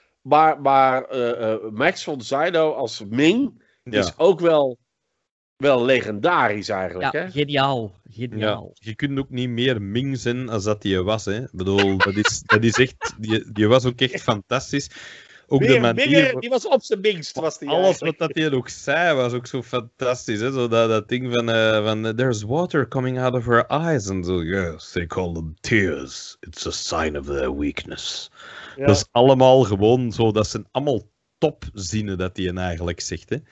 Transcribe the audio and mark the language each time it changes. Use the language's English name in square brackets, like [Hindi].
[Dutch] Maar Max von Sydow als Ming is ook wel legendarisch eigenlijk. Ja, hè? Geniaal. Ja, je kunt ook niet meer Ming zijn als dat hij was. Hè? Ik bedoel, dat is echt, die was ook echt fantastisch. Ook de manier, die was op zijn minst, was die alles eigenlijk. Wat hij ook zei, was ook zo fantastisch. Hè? Zo dat ding van [English] there's water coming out of her eyes. [Dutch] En zo, [English] yes, they call them tears. It's a sign of their weakness. [Dutch] Ja. Dat is allemaal gewoon zo, dat zijn allemaal topzinnen dat hij eigenlijk zegt. Hè?